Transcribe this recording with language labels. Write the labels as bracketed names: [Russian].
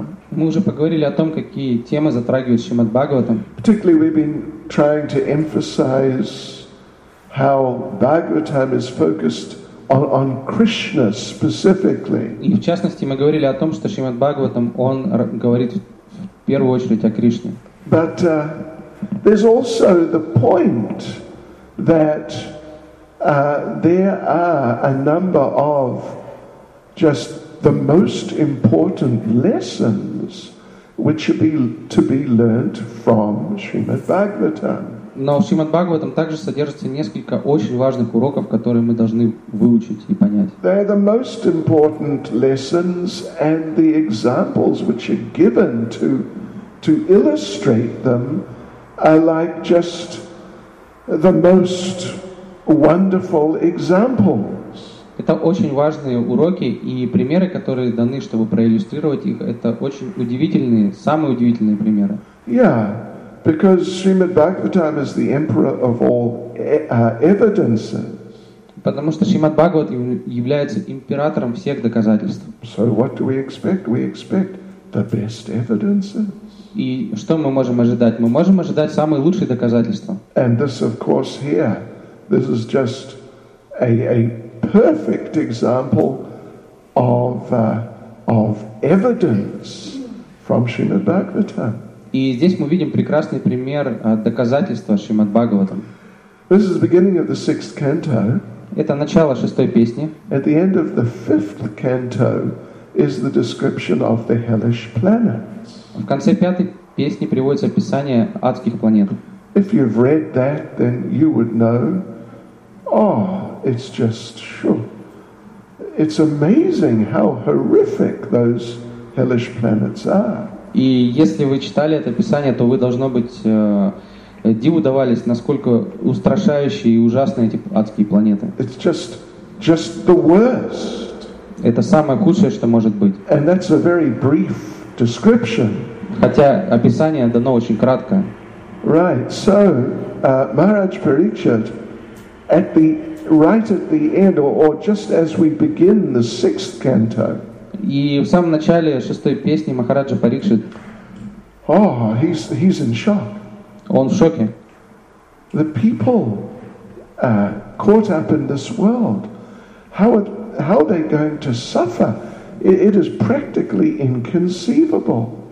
[Russian] Мы уже поговорили о том, какие темы затрагивает Шримад Бхагаватам. [English] Particularly, we've been trying to emphasize how Bhagavatam is focused on Krishna specifically. [Russian] И в частности, мы говорили о том, что Шримад Бхагаватам он говорит в первую очередь о Кришне. [English] But there's also the point that there are a number of just the most important lessons which should be to be learned from Srimad Bhagavatam. [Russian] Но в Шримад Бхагаватам также содержится несколько очень важных уроков, которые мы должны выучить и понять. [English] They are the most important lessons and the examples which are given to illustrate them are like just the most wonderful examples. [Russian] Это очень важные уроки, и примеры, которые даны, чтобы проиллюстрировать их, это очень удивительные, самые удивительные примеры. [English] Yeah, because Srimad Bhagavatam is the emperor of all evidences. [Russian] Потому что Шримад Бхагават является императором всех доказательств. [English] So what do we expect? We expect the best evidences. [Russian] И что мы можем ожидать? Мы можем ожидать самые лучшие доказательства. [English] And this, of course, here, this is just a perfect example of evidence from Srimad Bhagavatam. [Russian] И здесь мы видим прекрасный пример доказательства Шримад Бхагаватам. [English] This is the beginning of the sixth canto. [Russian] Это начало шестой песни. [English] At the end of the fifth canto is the description of the hellish planets. [Russian] В конце пятой песни приводится описание адских планет. [English] If you've read that, then you would know. Oh, it's just sure. It's amazing how horrific those hellish planets are. [Russian] И если вы читали это описание, то вы должно быть диву давались, насколько устрашающие и ужасные эти адские планеты. [English] It's just the worst. [Russian] Это самое худшее, что может быть. [English] And that's a very brief description. [Russian] Хотя описание дано очень кратко. [English] Right. So, Maharaj Parikshit. At the right at the end, or just as we begin the sixth canto. [Russian] И в самом начале шестой песни Махараджа Парикшит. [English] Oh, he's in shock. [Russian] Он в шоке. [English] The people caught up in this world. How are they going to suffer? It is practically inconceivable.